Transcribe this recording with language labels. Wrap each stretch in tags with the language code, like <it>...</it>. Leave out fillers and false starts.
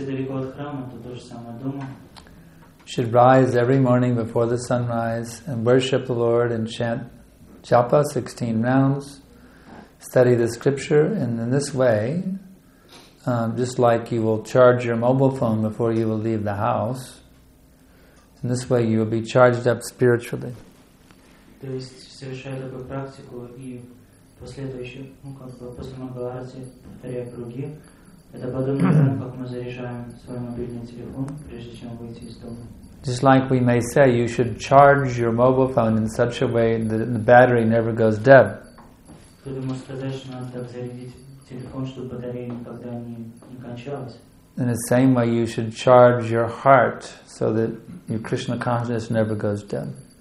<en>You should rise every morning before the sunrise and worship the Lord and chant japa 16 rounds, study the scripture, and in this way, just like you will charge your mobile phone before you will leave the house, in this way, you will be charged up spiritually.</en> <ru>То есть совершая такую практику и после этого еще, ну как бы после Магаларати, повторяя круги, это подобно тому, как мы заряжаем свой мобильный телефон, прежде чем выйти из дома.</ru> <en>Just like we may say, you should charge your mobile phone in such a way that the battery never goes dead.</en> <ru>То есть можно сказать, что надо так зарядить телефон, чтобы батарея никогда не кончалась.</ru> <en>In the same way, you should charge your heart so that your Krishna consciousness never goes dead.</en>